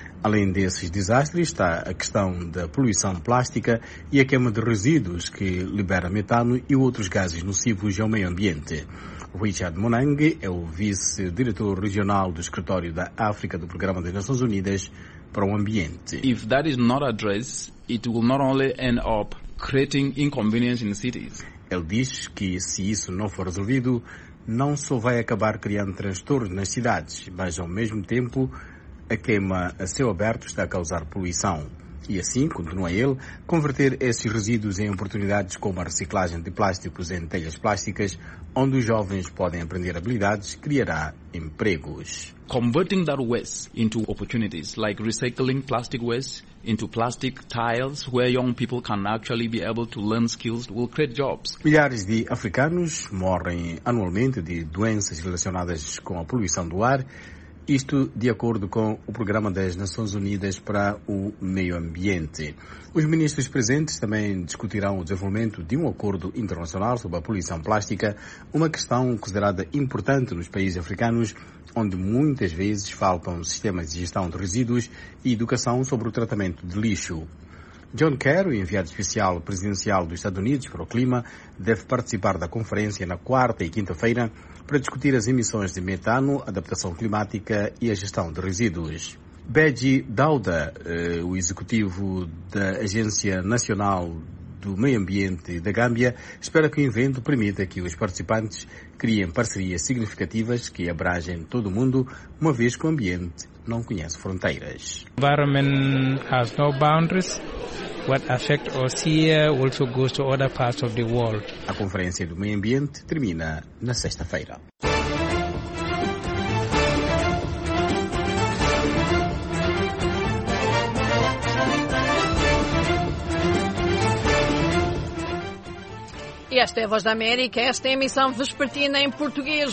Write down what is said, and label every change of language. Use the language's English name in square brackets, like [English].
[Portuguese] Além desses desastres, está a questão da poluição plástica e a queima de resíduos que libera metano e outros gases nocivos ao meio ambiente. Richard Monang é o vice-diretor regional do Escritório da África do Programa das Nações Unidas para o Ambiente. [English] If that is not addressed, it will not only end up creating inconvenience in cities. [Portuguese] Ele diz que se isso não for resolvido, não só vai acabar criando transtornos nas cidades, mas ao mesmo tempo a queima a céu aberto está a causar poluição. E assim, continua ele, converter esses resíduos em oportunidades como a reciclagem de plásticos em telhas plásticas, onde os jovens podem aprender habilidades, criará empregos. [English] Converting that waste into opportunities, like recycling plastic waste into plastic tiles, where young people can actually be able to learn skills, will create jobs. [Portuguese] Milhares de africanos morrem anualmente de doenças relacionadas com a poluição do ar. Isto de acordo com o Programa das Nações Unidas para o Meio Ambiente. Os ministros presentes também discutirão o desenvolvimento de um acordo internacional sobre a poluição plástica, uma questão considerada importante nos países africanos, onde muitas vezes faltam sistemas de gestão de resíduos e educação sobre o tratamento de lixo. John Kerry, enviado especial presidencial dos Estados Unidos para o clima, deve participar da conferência na quarta e quinta-feira para discutir as emissões de metano, adaptação climática e a gestão de resíduos. Beji Dauda, o executivo da Agência Nacional do Meio Ambiente da Gâmbia, espera que o evento permita que os participantes criem parcerias significativas que abrangem todo o mundo, uma vez que o ambiente não conhece fronteiras. [English] O environment has no boundaries. What affects us here also goes to other parts of the world. [Portuguese] A conferência do meio ambiente termina na sexta-feira. E esta é a Voz da América, esta é a emissão vespertina em português.